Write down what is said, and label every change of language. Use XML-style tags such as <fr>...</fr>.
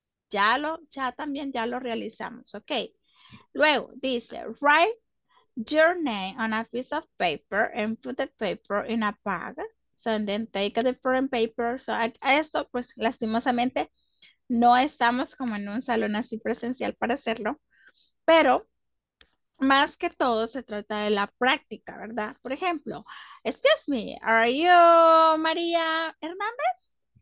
<es>Ya también ya lo realizamos. Ok. Luego dice, write</es> <en>your name on a piece of paper and put the paper in a bag. So, and then take a different paper.</en> <es>So, a esto, pues, lastimosamente, no estamos como en un salón así presencial para hacerlo. Pero, más que todo, se trata de la práctica, ¿verdad?</es> <en>Por ejemplo, excuse me, are you María Hernández?</en>